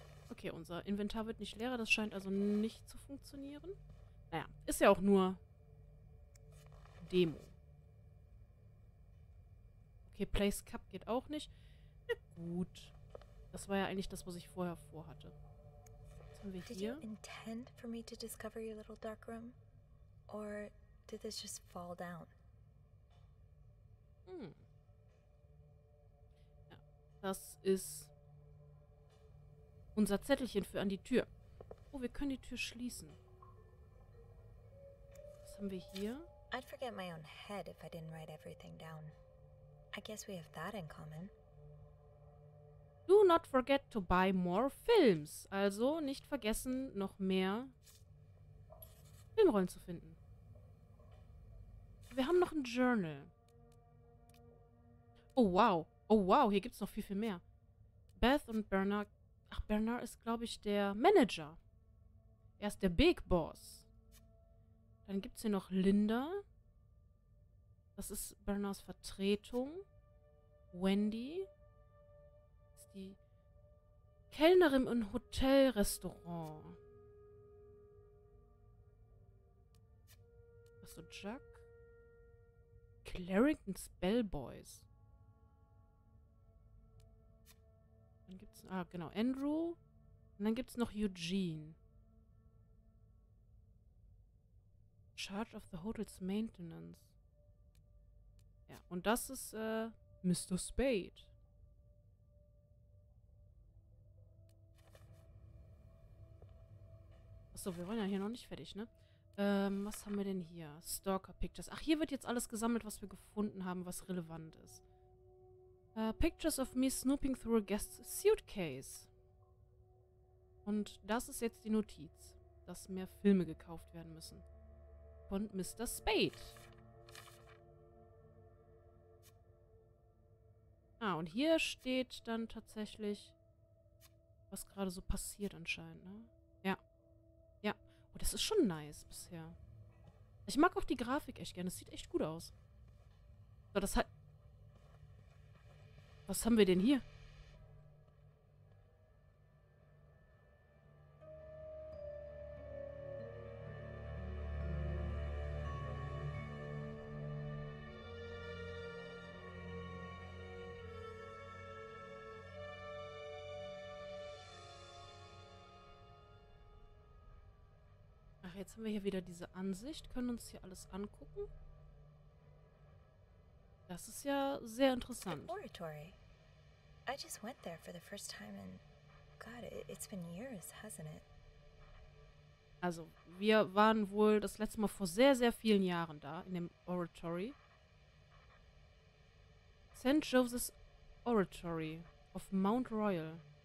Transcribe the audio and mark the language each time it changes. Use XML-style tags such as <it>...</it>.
<de>Okay, unser Inventar wird nicht leerer. Das scheint also nicht zu funktionieren. Naja, ist ja auch nur Demo. Okay, Place Cup geht auch nicht. Na gut. Das war ja eigentlich das, was ich vorher vorhatte. Was haben wir hier?</de> <en>Did you intend for me to discover your little dark room? Or did this just fall down? Hm.</en> <de>Ja, das ist unser Zettelchen für an die Tür. Oh, wir können die Tür schließen. Was haben wir hier?</de> <en>I'd forget my own head if I didn't write everything down. I guess we have that in common. Do not forget to buy more films.</en> <de>Also nicht vergessen, noch mehr Filmrollen zu finden. Wir haben noch ein Journal. Oh wow. Oh wow, hier gibt es noch viel, viel mehr. Beth und Bernard. Ach, Bernard ist, glaube ich, der Manager. Er ist der Big Boss. Dann gibt es hier noch Linda. Das ist Bernards Vertretung. Wendy. Die Kellnerin im Hotelrestaurant. Achso, Jack. Clarington's Bellboys. Dann gibt's. Ah, genau. Andrew. Und dann gibt's noch Eugene.</de> <en>Charge of the Hotel's Maintenance.</en> <de>Ja, und das ist Mr. Spade. Achso, wir wollen ja hier noch nicht fertig, ne? Was haben wir denn hier? Stalker Pictures. Ach, hier wird jetzt alles gesammelt, was wir gefunden haben, was relevant ist.</de> <en>Pictures of me snooping through a guest's suitcase.</en> <de>Und das ist jetzt die Notiz, dass mehr Filme gekauft werden müssen. Von Mr. Spade. Ah, und hier steht dann tatsächlich, was gerade so passiert anscheinend, ne? Das ist schon nice bisher. Ich mag auch die Grafik echt gerne. Das sieht echt gut aus. So, das hat. Was haben wir denn hier? Jetzt haben wir hier wieder diese Ansicht, können uns hier alles angucken. Das ist ja sehr interessant.</de> <en>Laboratory. I just went there for the first time and God, it's been years, hasn't it?</en> <de>Also, wir waren wohl das letzte Mal vor sehr, sehr vielen Jahren da in dem Oratory. St. Joseph's Oratory of Mount Royal.</de>